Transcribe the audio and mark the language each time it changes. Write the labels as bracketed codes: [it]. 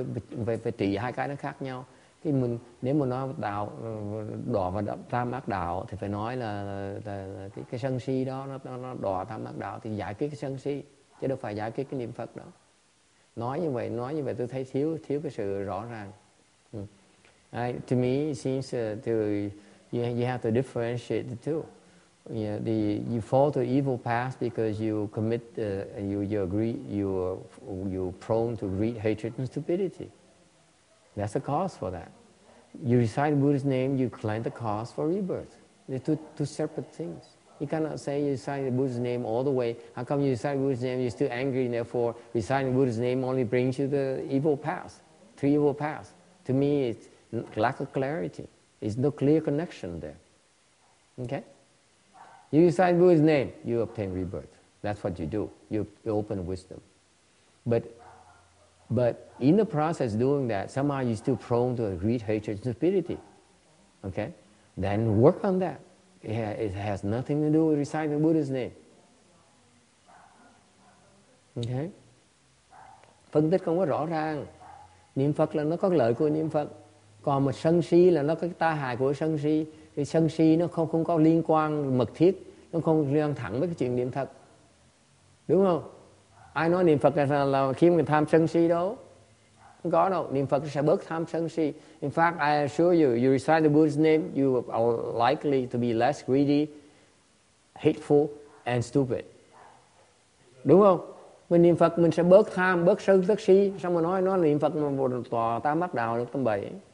[vi] Về trị hai cái nó khác nhau. Cái mình nếu mà nói đạo đọa và tam ác đạo thì phải nói là cái sân si đó nó đọa tam ác đạo thì giải quyết cái sân si chứ đâu phải giải quyết cái niệm Phật đó. Nói như vậy tôi thấy thiếu cái sự rõ ràng. [en] To me it seems you have to differentiate the two. Yeah, you fall to evil paths because you commit, you're prone to greed, hatred, and stupidity. That's the cause for that. You recite Buddha's name, you claim the cause for rebirth. They're two separate things. You cannot say you recite the Buddha's name all the way. How come you recite Buddha's name, you're still angry, and therefore reciting Buddha's name only brings you the evil paths, three evil paths. To me, it's lack of clarity. There's no clear connection there. Okay? You recite Buddha's name, you obtain rebirth. That's what you do. You open wisdom. But in the process doing that, somehow you're still prone to greed, hatred, and stupidity. Okay? Then work on that. It has nothing to do with reciting Buddha's name. Okay? [vi] Phân tích không có rõ ràng. Niệm Phật là nó có lợi của niệm Phật. Còn mà sân si là nó có cái tai hại của sân si. Cái sân si nó không có liên quan mật thiết, nó không liên thẳng với cái chuyện niệm Phật, đúng không? Ai nói niệm Phật là khi mình tham sân si đâu? Không có đâu. Niệm Phật sẽ bớt tham sân si. [en] In fact, I assure you, you recite the Buddha's name, you are likely to be less greedy, hateful, and stupid, [vi] đúng không? Mình niệm Phật mình sẽ bớt tham, bớt sân, bớt si. Xong mà nói niệm Phật mà tòa ta mắc đào được tâm bậy.